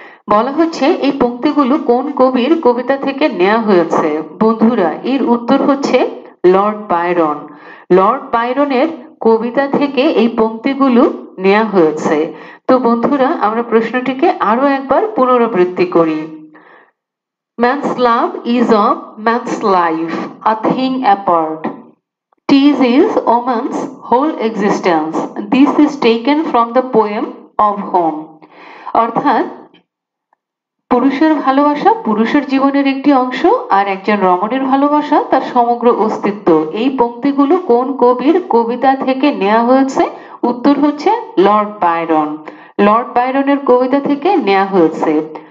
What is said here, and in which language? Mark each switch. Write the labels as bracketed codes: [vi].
[bn] বলা হচ্ছে এই পংক্তিগুলো কোন কবির কবিতা থেকে নেওয়া হয়েছে? বন্ধুরা, এর উত্তর হচ্ছে লর্ড বায়রন। লর্ড বায়রনের কবিতা থেকে এই পংক্তিগুলো নেওয়া হয়েছে। তো বন্ধুরা, আমরা প্রশ্নটিকে আরো একবার পুনরাবৃত্তি করি। [en] Man's love is of man's life, a thing apart. Tis is woman's whole existence. This is taken from the poem of Home. [bn] অর্থাৎ পুরুষের ভালোবাসা পুরুষের জীবনের একটি অংশ, আর একজন রমণীর ভালোবাসা তার সমগ্র অস্তিত্ব। এই পংক্তিগুলো কোন কবির কবিতা থেকে নেওয়া হয়েছে? উত্তর হচ্ছে লর্ড বায়রন। লর্ড বায়রনের কবিতা থেকে নেওয়া হয়েছে।